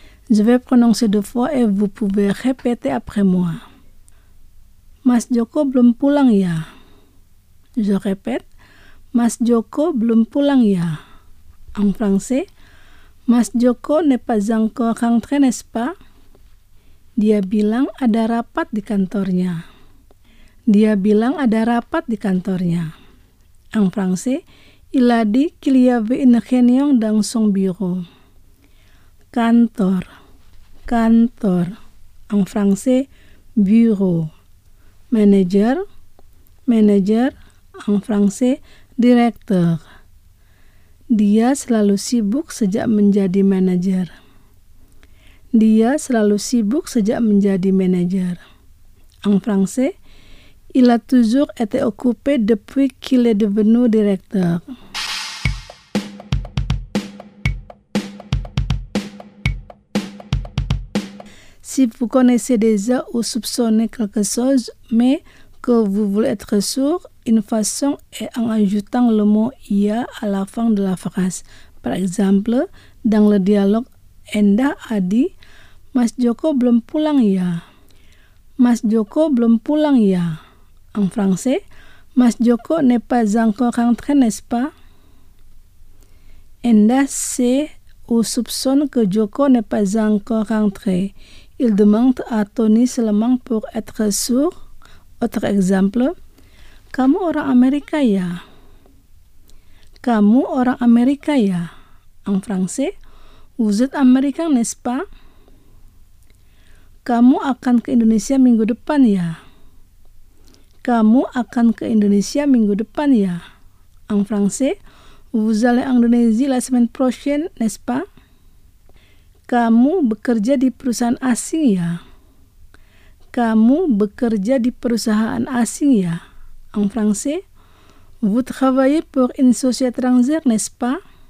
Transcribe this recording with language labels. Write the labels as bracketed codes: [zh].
[fr] Je vais prononcer deux fois et vous pouvez répéter après moi. [id] « Mas Joko belum pulang ya ?» [fr] Je répète [id] « Mas Joko belum pulang ya ?» [fr] En français « Mas Joko n'est pas encore rentré, n'est-ce pas ?» [id] Dia bilang ada rapat di kantornya. Dia bilang ada rapat di kantornya. [fr] En français, il a dit qu'il y avait une réunion dans son bureau. Kantor. Kantor. En français, bureau. Manager. Manager. En français, directeur. [id] Dia selalu sibuk sejak menjadi manajer. Dia selalu sibuk sejak menjadi manajer. [fr] En français, il a toujours été occupé depuis qu'il est devenu directeur. Si vous connaissez déjà ou soupçonnez quelque chose, mais que vous voulez être sûr, une façon est en ajoutant le mot « ya » à la fin de la phrase. Par exemple, dans le dialogue, Enda a dit [id] « Mas Joko belum pulang ya ?»« Mas Joko belum pulang ya ?» [fr] En français, « Mas Joko n'est pas encore rentré, n'est-ce pas ?» Enda sait ou soupçonne que Joko n'est pas encore rentré. Il demande à Tony seulement pour être sûr. Autre exemple, [id] kamu orang Amerika ya? Kamu orang Amerika ya? [fr] En français, vous êtes américain, n'est-ce pas? [id] Kamu akan ke Indonesia minggu depan ya? Kamu akan ke Indonesia minggu depan ya? [fr] En français, vous allez en Indonésie la semaine prochaine, n'est-ce pas? [id] Kamu bekerja di perusahaan asing ya? Kamu bekerja di perusahaan asing ya? [fr] En français, vous travaillez pour une société étrangère, n'est-ce pas?